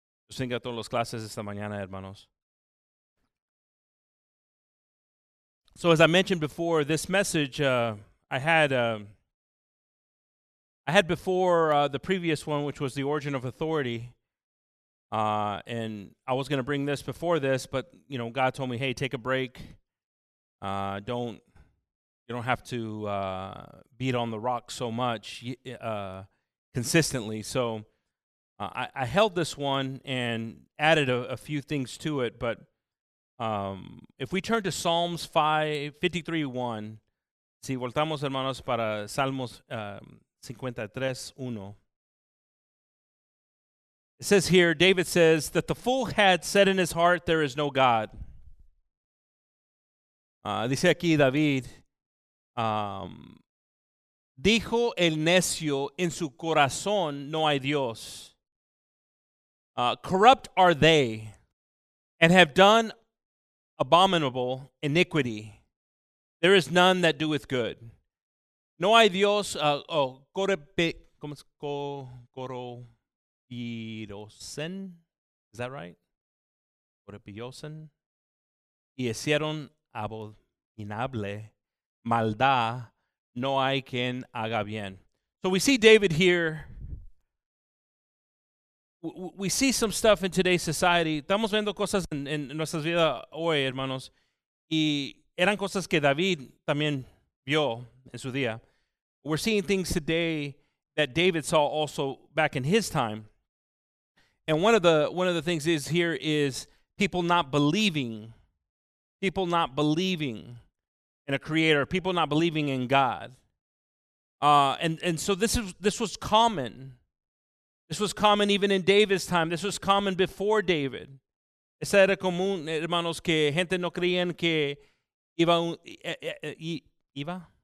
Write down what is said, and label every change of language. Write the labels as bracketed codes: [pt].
[es] Dios bendiga todos los clases esta mañana, hermanos. [en] So as I mentioned before, this message I had before the previous one, which was the origin of authority. And I was going to bring this before this, but, you know, God told me, hey, take a break. You don't have to beat on the rock so much consistently. So I held this one, and added a few things to it, but if we turn to Psalms 53:1, si voltamos, hermanos, para Salmos 53:1, it says here, David says, that the fool had said in his heart, there is no God. [es] Dice aquí David, dijo el necio en su corazón, no hay Dios. [en] Corrupt are they, and have done abominable iniquity. There is none that doeth good. [es] No hay Dios, corrompidosen, is that right? Corrompidosen, y hicieron abominable maldad, no hay quien haga bien. [en] So we see David here. We see some stuff in today's society. [es] Estamos viendo cosas en nuestras vidas hoy, hermanos. Y eran cosas que David también vio en su día. [en] We're seeing things today that David saw also back in his time. And one of the things is here is people not believing. People not believing in a creator. People not believing in God. And so this was common. This was common even in David's time. This was common before David. [es] Esa era común, hermanos, que gente no creían que iba un, iba?